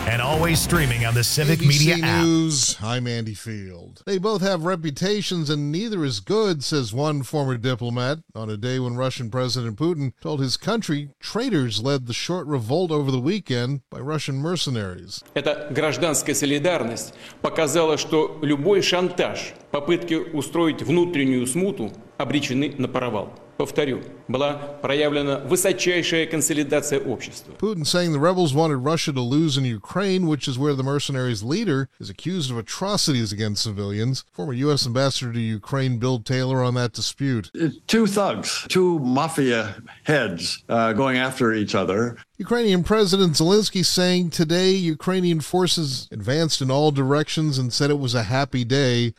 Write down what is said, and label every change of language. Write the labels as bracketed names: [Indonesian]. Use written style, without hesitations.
[English] and always streaming on the Civic ABC Media News. App. I'm Andy Field. They both have reputations and neither is good, says one former diplomat on a day when Russian President Putin told his country traitors led the short revolt over the weekend by Russian mercenaries. [Russian] Это гражданская солидарность показала, что любой шантаж, попытки устроить внутреннюю смуту обречены на провал. Повторю, была проявлена высочайшая консолидация общества. [English] Putin saying the rebels wanted Russia to lose in Ukraine, which is where the mercenaries' leader is accused of atrocities against civilians. Former U.S. Ambassador to Ukraine Bill Taylor on that dispute. Two thugs, two mafia heads going after each other. Ukrainian President Zelensky saying today Ukrainian forces advanced in all directions and said it was a happy day.